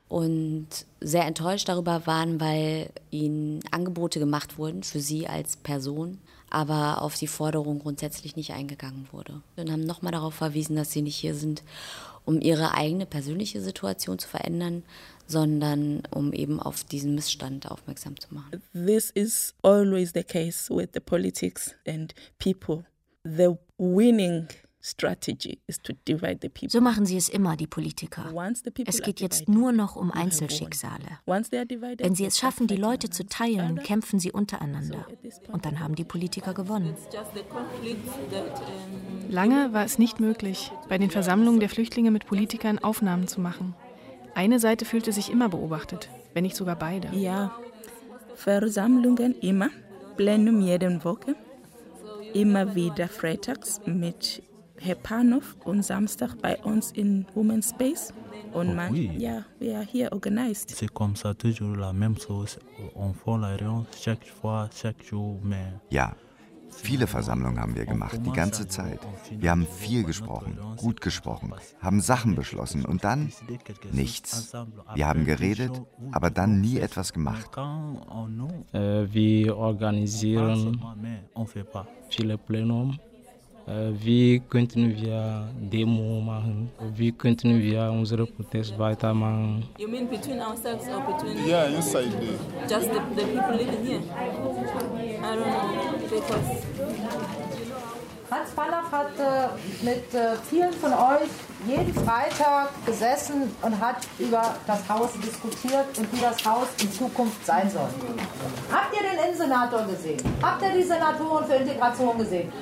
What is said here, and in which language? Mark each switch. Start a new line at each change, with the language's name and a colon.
German: Und sehr enttäuscht darüber waren, weil ihnen Angebote gemacht wurden für sie als Person, aber auf die Forderung grundsätzlich nicht eingegangen wurde. Und haben nochmal darauf verwiesen, dass sie nicht hier sind, um ihre eigene persönliche Situation zu verändern, sondern um eben auf diesen Missstand aufmerksam zu machen.
English: This is always the case with the politics and people. The winning strategy is to divide the people.
German: So machen sie es immer, die Politiker. Es geht jetzt nur noch um Einzelschicksale. Wenn sie es schaffen, die Leute zu teilen, kämpfen sie untereinander. Und dann haben die Politiker gewonnen. Lange war es nicht möglich, bei den Versammlungen der Flüchtlinge mit Politikern Aufnahmen zu machen. Eine Seite fühlte sich immer beobachtet, wenn nicht sogar beide. Ja, Versammlungen immer, Plenum jede Woche, immer wieder freitags mit Herr Panov und Samstag bei uns in Women's Space. Und man, ja, wir sind hier organisiert. Es ist immer so,
French: toujours la même chose. On fait la réunion chaque fois, chaque jour, mais.
German: Ja. Viele Versammlungen haben wir gemacht, die ganze Zeit. Wir haben viel gesprochen, gut gesprochen, haben Sachen beschlossen und dann nichts. Wir haben geredet, aber dann nie etwas gemacht. Wir organisieren viele Plenum. Wie könnten wir Demo machen? Wie könnten wir unsere Proteste weitermachen?
English: You mean between ourselves or between? Yeah, inside the. Just the people living here. I don't know. Because
German: Hans Panov hat mit vielen von euch jeden Freitag gesessen und hat über das Haus diskutiert und wie das Haus in Zukunft sein soll. Habt ihr den Innensenator gesehen? Habt ihr die Senatoren für Integration gesehen?